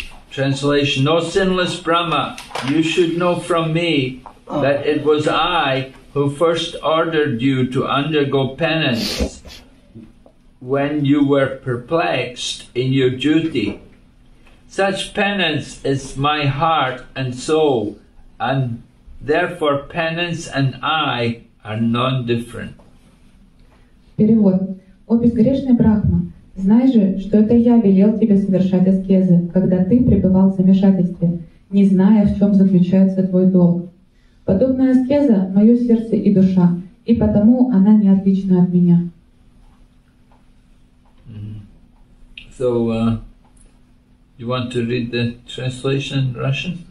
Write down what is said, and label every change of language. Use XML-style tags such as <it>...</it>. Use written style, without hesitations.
<en>Translation: no sinless Brahma, you should know from me that it was I who first ordered you to undergo penance when you were perplexed in your duty. Such penance is my heart and soul, and therefore, penance and I are non-different.</en> <ru>Перевод. О безгрешный Брахма, знай же, что это я велел тебе совершать аскезы, когда ты пребывал в замешательстве, не зная, в чем заключается твой долг. Подобная аскеза — мое сердце и душа, и потому она не отлична от меня.</ru> <en>So, you want to read the translation in Russian?</en>